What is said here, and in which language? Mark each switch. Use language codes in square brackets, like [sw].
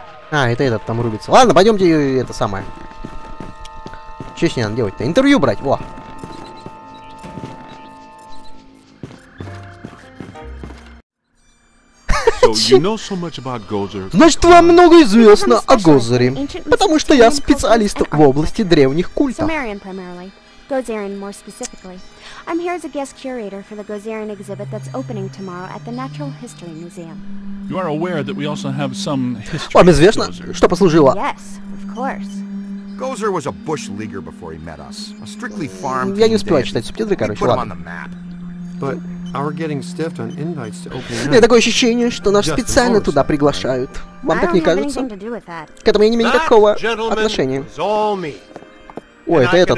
[ru] А, это этот там рубится. Ладно, пойдемте это самое. Что с ней надо делать-то? Интервью брать, во. Значит, вам много известно о Гозере, потому что я специалист в области древних культов. [en] Gozerian, more specifically. I'm here as a guest curator for the Gozerian exhibit that's opening tomorrow at the Natural History Museum. You are aware that we also have some history. [ru] Вам известно, что послужило? [en] Yes, of course. Gozer was a bush leaguer before he met us. A strictly farm. [ru] Я не успеваю читать субтитры, короче, ладно. [en] But our getting stiffed on invites to open. [ru] Нет, такое ощущение, что нас специально туда приглашают. Вам так не кажется? К этому я не имею никакого отношения. Ой, это этот.